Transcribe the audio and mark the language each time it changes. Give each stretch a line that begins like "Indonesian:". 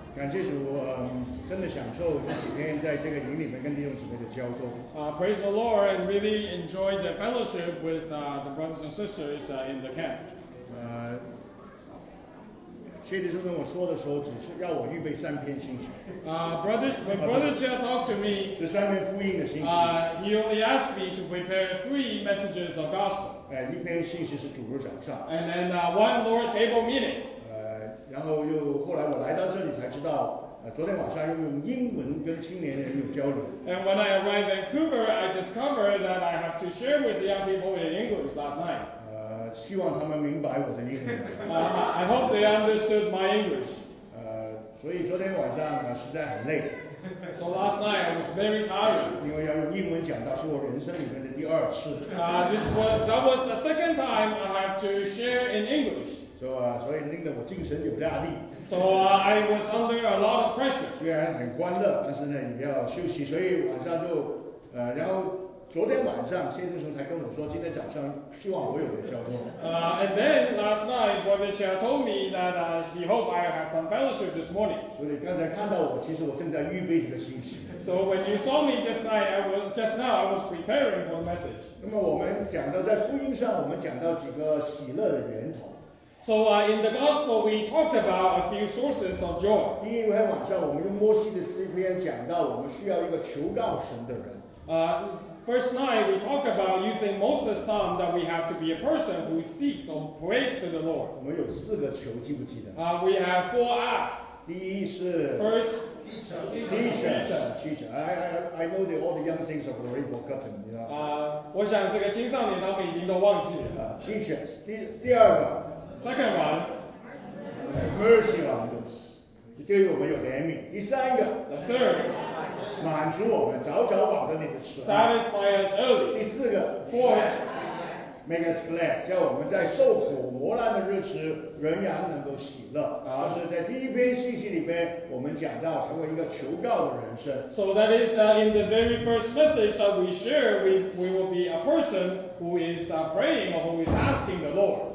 Chinese: 谢主，真的享受每天在这个营里面跟弟兄姊妹的交通。
English: Praise the Lord and really enjoy the fellowship with the brothers and sisters in the camp.
Chinese: 谢弟兄跟我说的时候，只是要我预备三篇信息。
English: Brother Chia talked to me.
Chinese: 是三篇福音的信息。
English: He only asked me to prepare three messages of gospel.
Chinese: 一篇信息是主日早上。
English: And then one Lord's table meeting.
Chinese: 然后又后来我来到这里才知道，昨天晚上又用英文跟青年人有交流。
English: And when I arrived in Vancouver, I discovered that I have to share with the young people in English last night.
Chinese: 希望他们明白我的英文。
English: I hope they understood my English.
Chinese: 所以昨天晚上实在很累。
English: So last night I was very tired.
Chinese: 因为要用英文讲到是我人生里面的第二次。
English: That was the second time I have to share in English.
Chinese: 所以令得我精神有压力。
English: I was under a lot of pressure.
Chinese: 虽然很欢乐，但是呢，也要休息。所以晚上就，然后昨天晚上，先生才跟我说，今天早上希望我有点交通。
English: And then last night, Brother Chia told me that he hoped I have some fellowship this morning.
Chinese: 所以刚才看到我，其实我正在预备这个信息。
English: So when you saw me just now, I was preparing for the message.
Chinese: 那么我们讲到在福音上，我们讲到几个喜乐的源头。
English: So in the gospel, we talked about a few sources of joy.
Chinese: 因为晚上我们用摩西的诗篇讲到，我们需要一个求告神的人。
English: First night, we talked about using Moses' psalm that we have to be a person who seeks or prays to the Lord.
Chinese: 我们有四个求，记不记得？
English: We have four asks.
Chinese: 第一是
English: first teacher. I know that all the young things have already forgotten.
Chinese: 我想这个青少年他们已经都忘记了。 Teachers. 第二个。
English: Second one, mercy on us.
Chinese: 对我们有怜悯。第三个
English: ，the third,
Chinese: 满足我们，早早饱的那个吃。
English: Satisfy us early.
Chinese: 第四个
English: ，fourth, make us glad.
Chinese: 叫我们在受苦磨难的日子，仍然能够喜乐。就是在第一篇信息里边，我们讲到成为一个求告的人生。
English: So that is in the very first message that we share, we will be a person. Who is praying or who is asking the Lord?